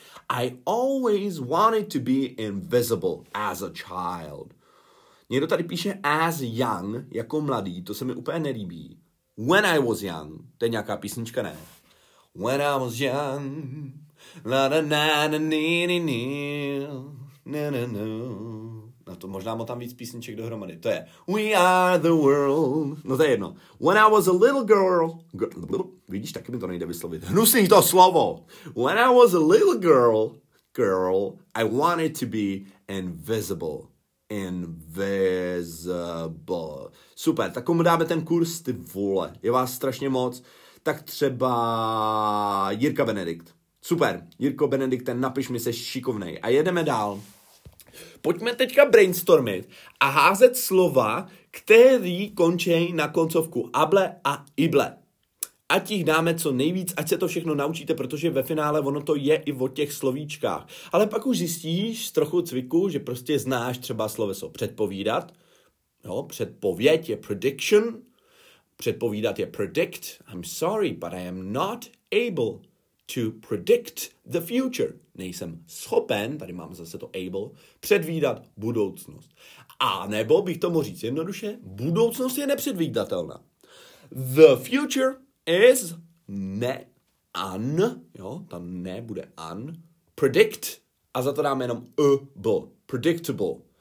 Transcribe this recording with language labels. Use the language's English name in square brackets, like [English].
[English] I always wanted to be invisible as a child. [Czech] Někdo tady píše as young, jako mladý, to se mi úplně nelíbí. [English] When I was young, [Czech] to je nějaká písnička, ne? [English] When I was young, na-na-na-na-na-na-na-na-na-na. [Czech] Na to možná mám tam víc písniček dohromady. To je We are the world. No to je jedno. [English] When I was a little girl. [Czech] Vidíš, taky mi to nejde vyslovit. Hnusný to slovo. [English] When I was a little girl, I wanted to be invisible. [Czech] Invisible. Super, tak komu dáme ten kurz, ty vole. Je vás strašně moc. Tak třeba Jirka Benedikt. Super, Jirko Benedikt, ten napiš mi, se šikovnej. A jedeme dál. Pojďme teďka brainstormit a házet slova, který končí na koncovku able a ible. Ať jich dáme co nejvíc, ať se to všechno naučíte, protože ve finále ono to je i o těch slovíčkách. Ale pak už zjistíš z trochu cviku, že prostě znáš třeba sloveso předpovídat. Jo, předpověď je prediction. Předpovídat je predict. [English] I'm sorry, but I am not able to predict the future. [Czech] Nejsem schopen, tady mám zase to able, předvídat budoucnost. A nebo bych to mohl říct jednoduše, budoucnost je nepředvídatelná. [English] The future is [Czech] ne, un, jo, tam ne bude un, predict, a za to dáme jenom able, predictable.